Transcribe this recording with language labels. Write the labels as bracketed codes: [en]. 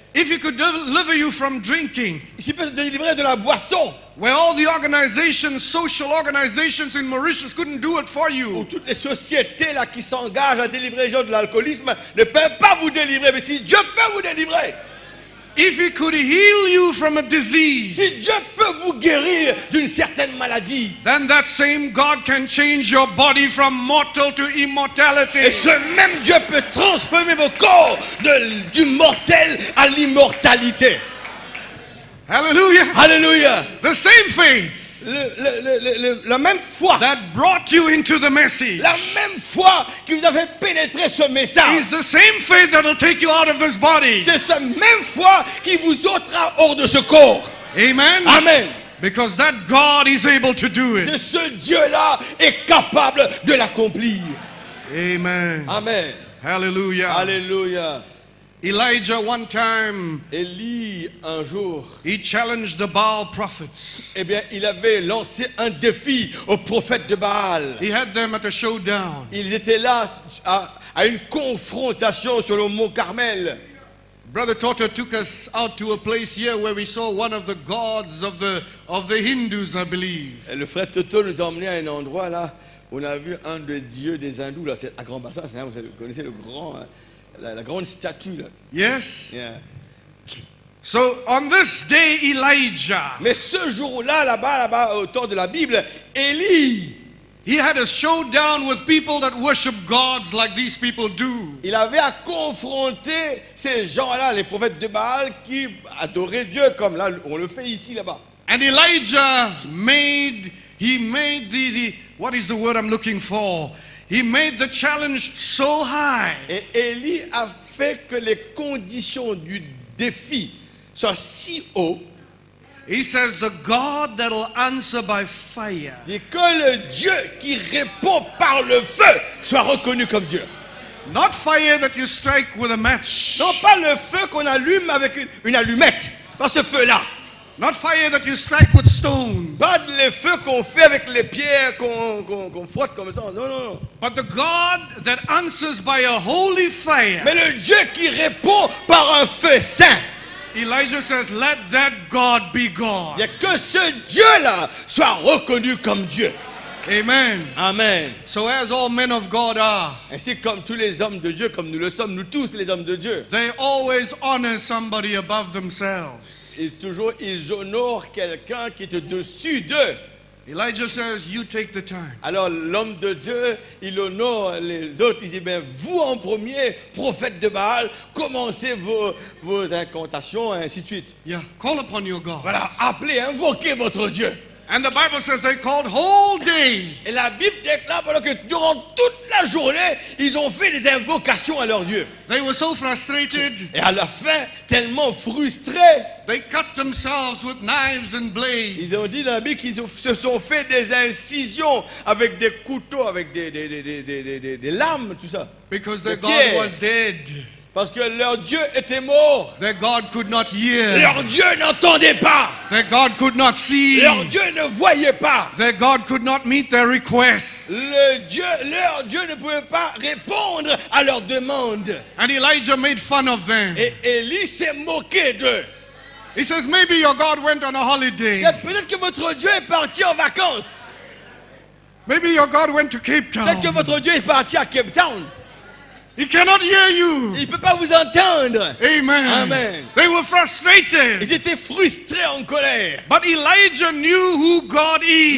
[en] if he could deliver you from drinking, [fr] si peut te délivrer de la boisson, [en] where all the organizations, social organizations in Mauritius couldn't do it for you, [fr] où toutes les sociétés là qui s'engagent à délivrer les gens de l'alcoolisme ne peuvent pas vous délivrer, mais si Dieu peut vous délivrer, [en] if he could heal you from a disease, [fr] si Dieu peut vous guérir d'une certaine maladie, [en] then that same God can change your body from mortal to immortality. [fr] Et ce même Dieu peut transformer vos corps du mortel à l'immortalité. Hallelujah. Hallelujah. [en] The same faith. [fr] La même foi, [en] that brought you into the message, [fr] la même foi qui vous a fait pénétrer ce message, [en] is the same faith that will take you out of this body. [fr] C'est ce même foi qui vous ôtera hors de ce corps. Amen. Amen. [en] Because that God is able to do it. [fr] C'est ce Dieu-là est capable de l'accomplir. Amen. Amen. Hallelujah. Hallelujah. [en] Elijah one time, [fr] Élie un jour, [en] he challenged the Baal prophets. [fr] Eh bien, il avait lancé un défi aux prophètes de Baal. [en] He had them at a showdown. [fr] Ils étaient là à une confrontation sur le mont Carmel. [en] Brother Toto took us out to a place here where we saw one of the gods of the Hindus, I believe. [fr] Et le frère Toto nous a emmené à un endroit là où on a vu un des dieux des hindous là, c'est à Grand Bassin, hein, vous connaissez le grand. Hein. La grande statue. [en] Yes. Yeah. So on this day, Elijah. [fr] Mais ce jour-là, là-bas, au temps de la Bible, Élie. [en] He had a showdown with people that worship gods like these people do. [fr] Il avait à confronter ces gens-là, les prophètes de Baal, qui adoraient Dieu comme là, on le fait ici, là-bas. [en] And Elijah made, he made the what is the word I'm looking for? He made the challenge so high. [fr] Et Élie a fait que les conditions du défi soient si haut. [en] He says the God that'll answer by fire. [fr] Et que le Dieu qui répond par le feu soit reconnu comme Dieu. [en] Not fire that you strike with a match. [fr] Non, pas le feu qu'on allume avec une allumette, pas ce feu-là. [en] Not fire that you strike with stones. [fr] Pas le feu qu'on fait avec les pierres qu'on frotte comme ça. Non. [en] But the God that answers by a holy fire. [fr] Mais le Dieu qui répond par un feu saint. [en] Elijah says, "Let that God be God." [fr] Et que ce Dieu-là soit reconnu comme Dieu. Amen. Amen. [en] So as all men of God are. [fr] Ainsi comme tous les hommes de Dieu, comme nous le sommes, nous tous les hommes de Dieu. [en] They always honor somebody above themselves. [fr] Et toujours, ils honorent quelqu'un qui est au-dessus d'eux. [en] Elijah says, you take the time. [fr] Alors l'homme de Dieu, il honore les autres. Il dit, ben, vous en premier, prophète de Baal, commencez vos incantations, et ainsi de suite. [en] Yeah. Call upon your God. [fr] Voilà, appelez, invoquez votre Dieu. [en] And the Bible says they called whole day. [fr] Et la Bible déclare que durant toute la journée, ils ont fait des invocations à leur Dieu. [en] They were so frustrated. [fr] Et à la fin, tellement frustrés. [en] They cut themselves with knives and blades. [fr] Ils ont dit dans la Bible qu'ils se sont fait des incisions avec des couteaux, avec des lames, tout ça. [en] Because their God was dead. [fr] Parce que leur Dieu était mort. [en] Their God could not hear. [fr] Leur Dieu n'entendait pas. [en] Their God could not see. [fr] Leur Dieu ne voyait pas. [en] Their God could not meet their requests. [fr] Leur Dieu ne pouvait pas répondre à leurs demandes. [en] And Elijah made fun of them. [fr] Et Élie s'est moqué d'eux. [en] He says, maybe your God went on a holiday. [fr] Peut-être que votre Dieu est parti en vacances. [en] Maybe your God went to Cape Town. [fr] Peut-être que votre Dieu est parti à Cape Town. [en] He cannot hear you. [fr] Il peut pas vous entendre. Amen. Amen. [en] They were frustrated. [fr] Ils étaient frustrés en colère. [en] But Elijah knew who God is.